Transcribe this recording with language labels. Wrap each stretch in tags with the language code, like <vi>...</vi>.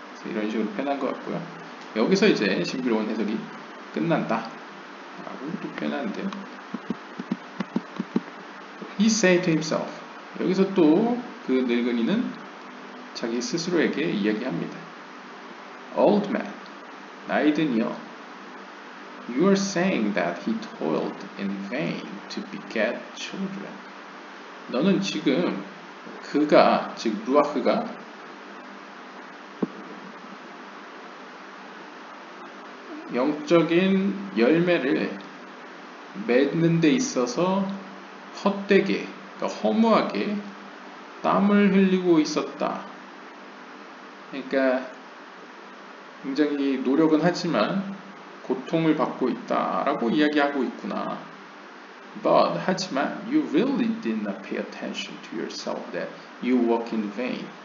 <ko>이런 식으로 표현한 것 같고요. 여기서 이제 신비로운 해석이 끝난다라고 또 표현하는데요.</ko> <en>He said to himself.</en> <ko>여기서 또 그 늙은이는 자기 스스로에게 이야기합니다.</ko> <en>Old man,</en> <ko>나이 든이여,</ko> <en>You are saying that he toiled in vain to beget children.</en> <ko>너는 지금 그가, 즉 루아크가 영적인 열매를 맺는 데 있어서 헛되게, 그러니까 허무하게 땀을 흘리고 있었다. 그러니까 굉장히 노력은 하지만 고통을 받고 있다라고 이야기하고 있구나.</ko> <en>But</en> <ko>하지만</ko> <en>you really did not pay attention to yourself that you work in vain.</en>